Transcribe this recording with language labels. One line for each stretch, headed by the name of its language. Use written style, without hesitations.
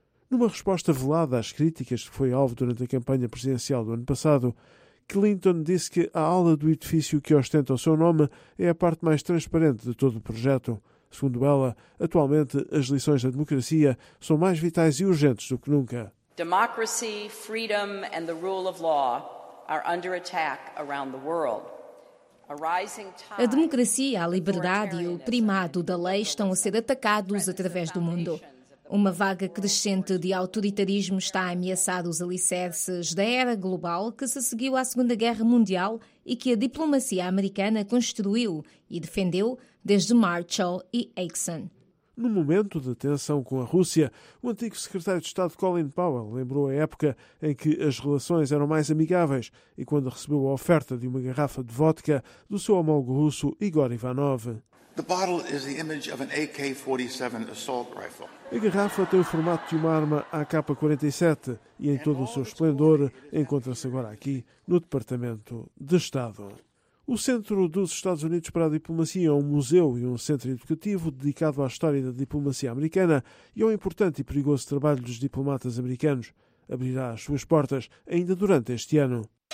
Portuguese: Numa resposta velada às críticas que foi alvo durante a campanha presidencial do ano passado, Clinton disse que a ala do edifício que ostenta o seu nome é a parte mais transparente de todo o projeto. Segundo ela, atualmente as lições da democracia são mais vitais e urgentes do que nunca.
English: Democracy, freedom and the rule of law are under attack around the world.
Portuguese: A democracia, a liberdade e o primado da lei estão a ser atacados através do mundo. Uma vaga crescente de autoritarismo está a ameaçar os alicerces da era global que se seguiu à Segunda Guerra Mundial e que a diplomacia americana construiu e defendeu desde Marshall e Eisenhower. No momento de tensão com a Rússia, o antigo secretário de Estado Colin Powell lembrou a época em que as relações eram mais amigáveis e quando recebeu a oferta de uma garrafa de vodka do seu homólogo russo Igor Ivanov.
English: The bottle is the image of an AK-47 assault rifle.
Portuguese: A garrafa tem o formato de uma arma AK-47 e em todo o seu esplendor encontra-se agora aqui no Departamento de Estado. O Centro dos Estados Unidos para a Diplomacia é um museu e um centro educativo dedicado à história da diplomacia americana e ao importante e perigoso trabalho dos diplomatas americanos. Abrirá as suas portas ainda durante este ano.